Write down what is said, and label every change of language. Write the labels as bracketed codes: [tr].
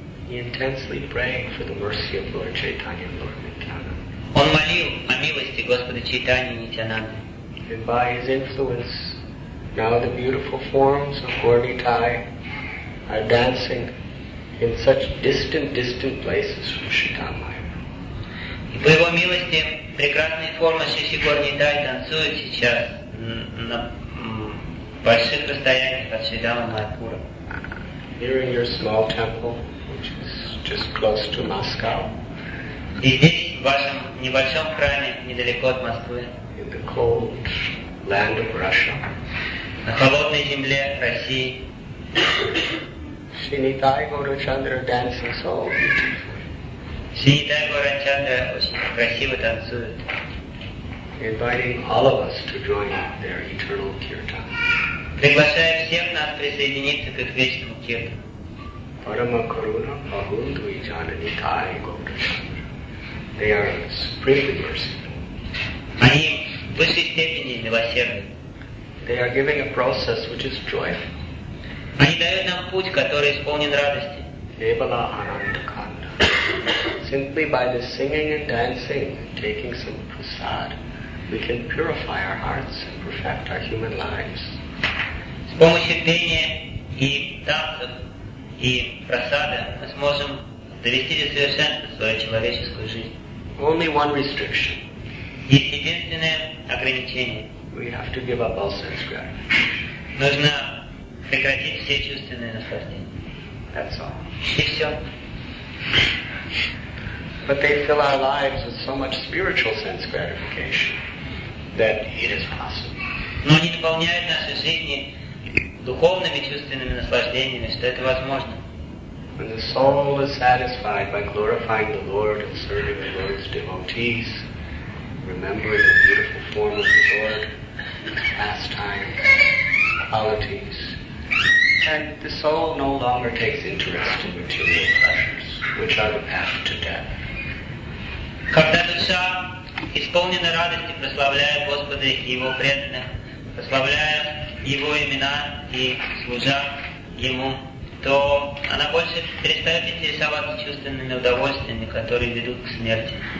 [en] He intensely prayed for the mercy of Lord Chaitanya and Lord Nityananda. [ru] Он молил о милости Господа Чайтаньи и Нитянанды. [en] And by his influence, now the beautiful forms of Gornitai are dancing in such distant places from Шитамайя. [ru] По его милости прекрасные формы Шиши Горнитай танцуют сейчас на больших расстояниях от Шридама Майпура. [en] Here in your small temple, which is just close to Moscow. [ru] И здесь, в вашем небольшом храме, недалеко от Москвы. [en] In the cold land of Russia. [ru] На холодной земле России. [en] Шинитай Горачандра dancing so beautifully. [ru] Шинитай Горачандра очень красиво танцует. [en] Inviting all of us to join their eternal kirtan. [ru] Приглашая всех нас присоединиться к их вечному кирту. [bn] Парамакаруна Бахунду и Джананитай Горачандра. [en] They are supremely merciful. [ru] Они в высшей степени милосердны. [en] They are giving a process which is joyful. [ru] Они дают нам путь, который исполнен радости. [bn] Кевала Анандаканда. [en] Simply by the singing and dancing and taking some prasad, we can purify our hearts and perfect our human lives. [ru] С помощью пения и танцев и прасада мы сможем довести до совершенства свою человеческую жизнь. [en] Only one restriction. [ru] Есть единственное ограничение. [en] We have to give up all sense gratification. [ru] Нужно прекратить все чувственные наслаждения. [en] That's all. [ru] И все. [en] But they fill our lives with so much spiritual sense gratification that it is possible. [ru] Но они наполняют наши жизни духовными чувственными наслаждениями, что это возможно. [en] When the soul is satisfied by glorifying the Lord and serving the Lord's devotees, remembering the beautiful form of the Lord, pastimes, qualities, and the soul no longer takes interest in material pleasures, which are the path to death. [ru] Когда душа исполнена радости, прославляя Господа и Его преданных, прославляя Его имена и служа Ему, то она больше перестает интересоваться чувственными удовольствиями, которые ведут к смерти.